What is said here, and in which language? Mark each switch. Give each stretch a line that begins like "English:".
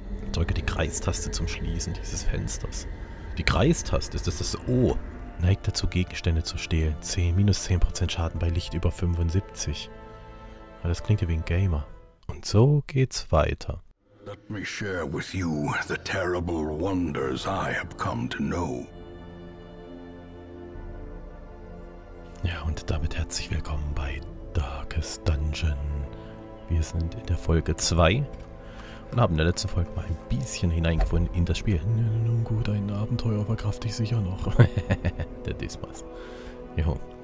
German: Drücke die Kreistaste zum Schließen dieses Fensters. Die Kreistaste, ist das O. Neigt dazu, Gegenstände zu stehlen. 10, minus 10% Schaden bei Licht über 75. Aber das klingt ja wie ein Gamer. Und so geht's weiter.
English: Let me share with you the terrible wonders I have come to know.
German: Ja, und damit herzlich willkommen bei Darkest Dungeon. Wir sind in der Folge 2 und haben in der letzten Folge mal ein bisschen hineingefunden in das Spiel. Nun gut, ein Abenteuer verkrafte ich sicher noch. Der Dismas. Jo.